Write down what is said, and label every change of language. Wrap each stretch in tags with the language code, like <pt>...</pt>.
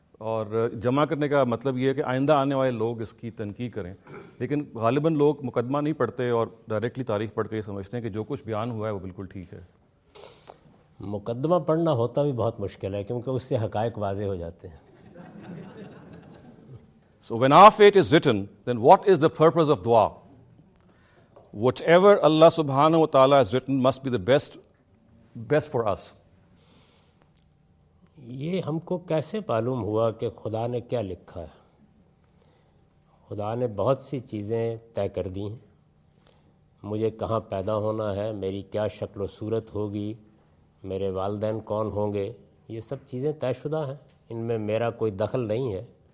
<ur>اور جمع کرنے کا مطلب یہ ہے کہ آئندہ آنے والے لوگ اس کی تنقید کریں, لیکن غالباً لوگ مقدمہ نہیں پڑھتے اور ڈائریکٹلی تاریخ پڑھ کے یہ سمجھتے ہیں کہ جو کچھ بیان ہوا ہے وہ بالکل ٹھیک ہے. مقدمہ پڑھنا ہوتا بھی بہت مشکل ہے کیونکہ اس سے حقائق واضح ہو جاتے ہیں.</ur> <en>So when of it is written then what is the purpose of دعا, whatever Allah سبحانہ و تعالیٰ is written must be the best for us.</en> <ur>یہ ہم کو کیسے معلوم ہوا کہ خدا نے کیا لکھا ہے؟ خدا نے بہت سی چیزیں طے کر دی ہیں, مجھے کہاں پیدا ہونا ہے, میری کیا شکل و صورت ہوگی, میرے والدین کون ہوں گے, یہ سب چیزیں طے شدہ ہیں, ان میں میرا کوئی دخل نہیں ہے.</ur>